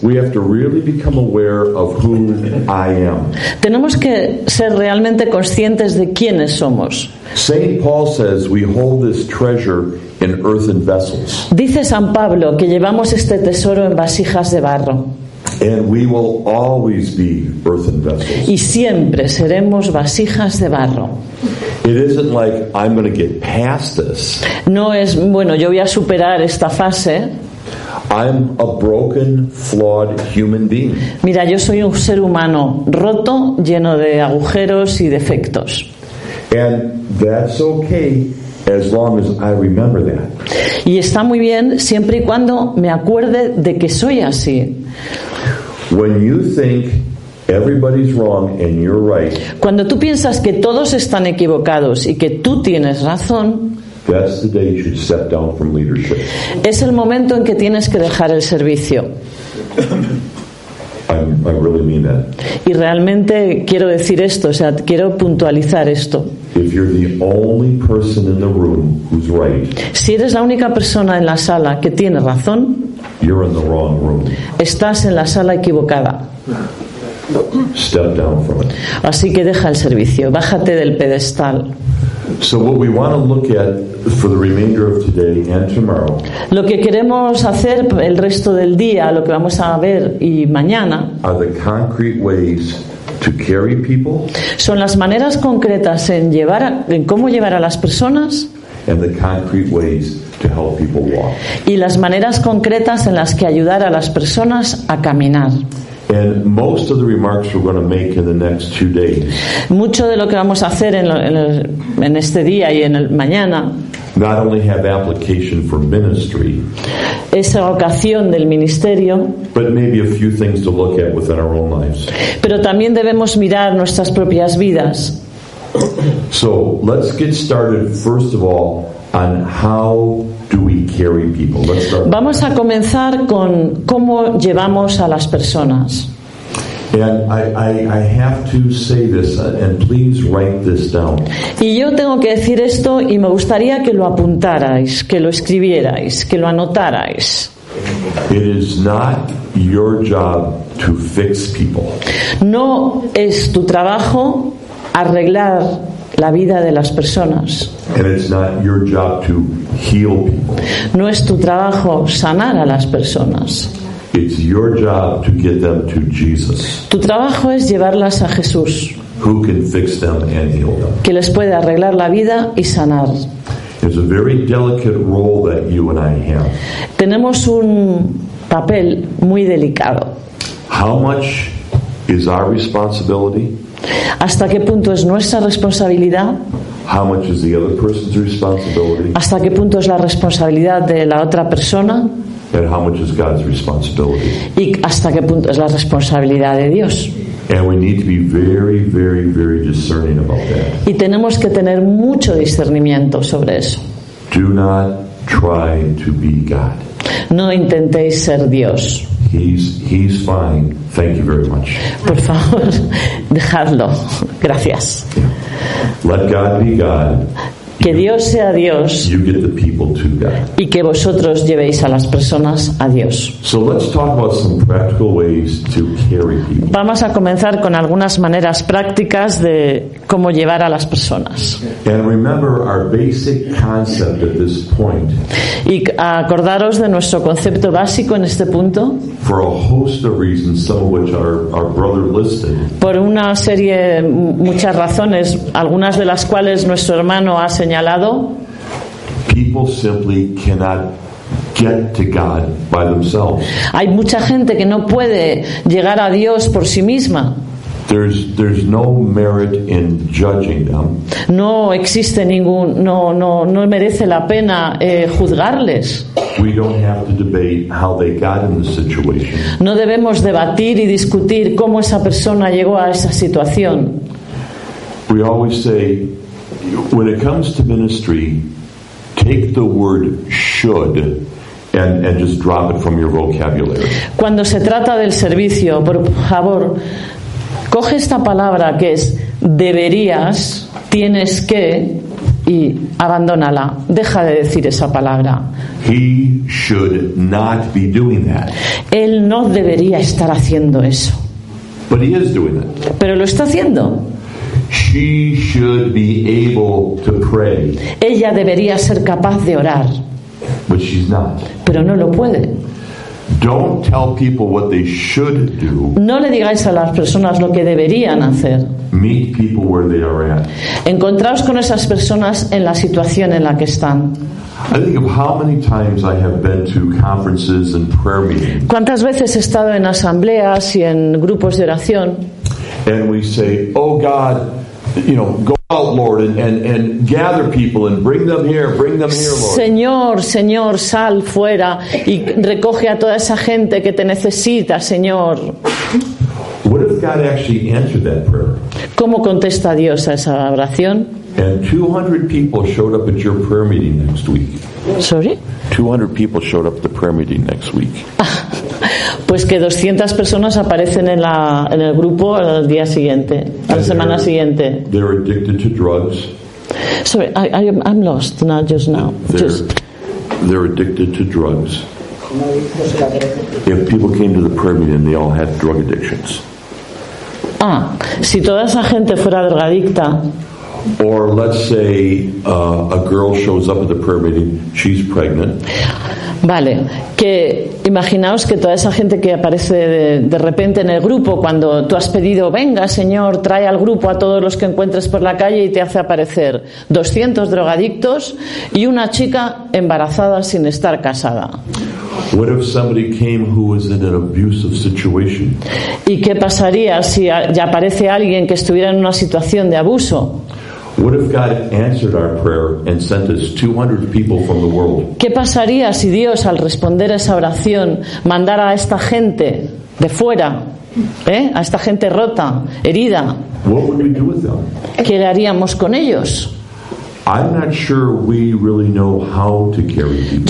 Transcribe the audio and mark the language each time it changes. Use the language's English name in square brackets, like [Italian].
[English] we have to really become aware of who I am. [Spanish] Tenemos que ser realmente conscientes de quiénes somos. [English] Saint Paul says we hold this treasure in earthen vessels. [Spanish] Dice San Pablo que llevamos este tesoro en vasijas de barro. [English] And we will always be earthen vessels. [Spanish] Y siempre seremos vasijas de barro. [English] It isn't like I'm going to get past this. [Spanish] No es, bueno, yo voy a superar esta fase. [English] I'm a broken, flawed human being. [Spanish] Mira, yo soy un ser humano roto, lleno de agujeros y defectos. [English] And that's okay. As long as I remember that. [Spanish] Y está muy bien siempre y cuando me acuerde de que soy así. [English] When you think everybody's wrong and you're right, [Spanish] cuando tú piensas que todos están equivocados y que tú tienes razón, [English] that's the day you should step down from leadership. [Spanish] Es el momento en que tienes que dejar el servicio. [English] I really mean that. [Spanish] Y realmente quiero decir esto, o sea, quiero puntualizar esto. [English] If you're the only person in the room who's right, [Spanish] si eres la única persona en la sala que tiene razón, [English] you're in the wrong room. [Spanish] Estás en la sala equivocada. [English] Step down from it. [Spanish] Así que deja el servicio, bájate del pedestal. [English] So what we want to look at for the remainder of today and tomorrow. [Spanish] Lo que queremos hacer el resto del día, lo que vamos a ver y mañana, [English] are the concrete ways to carry people. [Spanish] Son las maneras concretas en cómo llevar a las personas. [English] And the concrete ways to help people walk. [Spanish] Y las maneras concretas en las que ayudar a las personas a caminar. [English] And most of the remarks we're going to make in the next 2 days. [Spanish] Mucho de lo que vamos a hacer en este día y en el mañana. [English] Not only have application for ministry. [Spanish] Esa vocación del ministerio. [English] But maybe a few things to look at within our own lives. [Spanish] Pero también debemos mirar nuestras propias vidas. [English] So let's get started first of all on how do we carry people. Let's start. [Spanish] Vamos a comenzar con cómo llevamos a las personas. [English] And I have to say this, and please write this down. [Spanish] Y yo tengo que decir esto y me gustaría que lo apuntarais, que lo escribierais, que lo anotarais. [English] It is not your job to fix people. [Spanish] No es tu trabajo arreglar la vida de las personas. [English] And it's not your job to heal people. [Spanish] No es tu trabajo sanar a las personas. [English] It's your job to get them to Jesus. [Spanish] Tu trabajo es llevarlas a Jesús. [English] Who can fix them and heal them? [Spanish] Que les puede arreglar la vida y sanar. [English] It's a very delicate role that you and I have. [Spanish] Tenemos un papel muy delicado. [English] How much is our responsibility? [Spanish] ¿Hasta qué punto es nuestra responsabilidad? [English] How much is the other person's responsibility? [Spanish] ¿Hasta qué punto es la responsabilidad de la otra persona? [English] And how much is God's responsibility? [Spanish] ¿Y hasta qué punto es la responsabilidad de Dios? [English] And we need to be very, very, very discerning about that. [Spanish] Y tenemos que tener mucho discernimiento sobre eso. [English] Do not try to be God. [Spanish] No intentéis ser Dios. [English] He's fine. Thank you very much. [Spanish] Por favor, dejadlo. Gracias. [English] Yeah. Let God be God. [Spanish] Que Dios sea Dios. [English] You get the people to God. [Spanish] Y que vosotros llevéis a las personas a Dios. [English] So let's talk about some practical ways to carry people. [Spanish] Vamos a comenzar con algunas maneras prácticas de cómo llevar a las personas. [English] And remember our basic concept at this point. [Spanish] Y acordaros de nuestro concepto básico en este punto. [English] For a host of reasons, some of which our brother listed. [Spanish] Por una serie, muchas razones, algunas de las cuales nuestro hermano ha señalado. [English] People simply cannot get to God by themselves. [Spanish] Hay mucha gente que no puede llegar a Dios por sí misma. [English] There's no merit in judging them. [Spanish] No existe ningún, no merece la pena juzgarles. [English] We don't have to debate how they got in the situation. [Spanish] No debemos debatir y discutir cómo esa persona llegó a esa situación. [English] We always say, when it comes to ministry, take the word should and just drop it from your vocabulary. [Spanish] Cuando se trata del servicio, por favor, coge esta palabra que es deberías, tienes que, y abandónala. Deja de decir esa palabra. [English] He should not be doing that. [Spanish] Él no debería estar haciendo eso. [English] But he is doing it. [Spanish] Pero lo está haciendo. [English] She should be able to pray. [Spanish] Ella debería ser capaz de orar. [English] But she's not. [Spanish] Pero no lo puede. [English] Don't tell people what they should do. [Spanish] No le digáis a las personas lo que deberían hacer. [English] Meet people where they are at. [Spanish] Encontraos con esas personas en la situación en la que están. [English] I think of how many times I have been to conferences and prayer meetings. [Spanish] ¿Cuántas veces he estado en asambleas y en grupos de oración? [English] And we say, "Oh God, you know, go out, Lord, and gather people and bring them here, Lord." [Spanish] Señor, Señor, sal fuera y recoge a toda esa gente que te necesita, Señor. [English] What if God actually answered that prayer? [Spanish] ¿Cómo contesta Dios a esa oración? [English] And 200 people showed up at your prayer meeting next week. Sorry? 200 people showed up at the prayer meeting next week. [Spanish] Pues que 200 personas aparecen en la en el grupo al día siguiente, a la semana siguiente. [English] They're addicted to drugs. Sorry, I'm lost, not just now. They're addicted to drugs. If people came to the prayer meeting, they all had drug addictions. [Spanish] Ah, si toda esa gente fuera drogadicta. [English] Or let's say a girl shows up at the prayer meeting, she's pregnant. [Spanish] Vale, que imaginaos que toda esa gente que aparece de repente en el grupo, cuando tú has pedido, venga Señor, trae al grupo a todos los que encuentres por la calle y te hace aparecer 200 drogadictos y una chica embarazada sin estar casada. [English] What if somebody came who was in an abusive situation? [Spanish] ¿Y qué pasaría si ya aparece alguien que estuviera en una situación de abuso? [English] What if God answered our prayer and sent us 200 people from the world? [Spanish] ¿Qué pasaría si Dios, al responder a esa oración, mandara a esta gente de fuera, a esta gente rota, herida? [English] What would we do with them? [Spanish] ¿Qué haríamos con ellos? [English] I'm not sure we really know how to carry people.